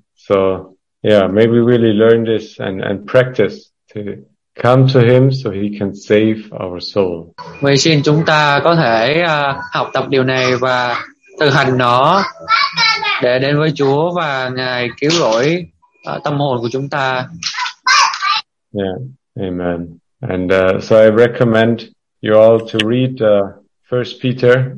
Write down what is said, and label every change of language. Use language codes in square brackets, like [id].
[en] So, yeah, maybe really learn this and practice to come to him so he can save our soul. [vi] Vậy xin chúng ta có thể học tập điều này và thực hành nó để đến với Chúa và Ngài cứu rỗi tâm hồn của chúng ta. [en] Yeah, amen. And so I recommend you all to read 1 Peter.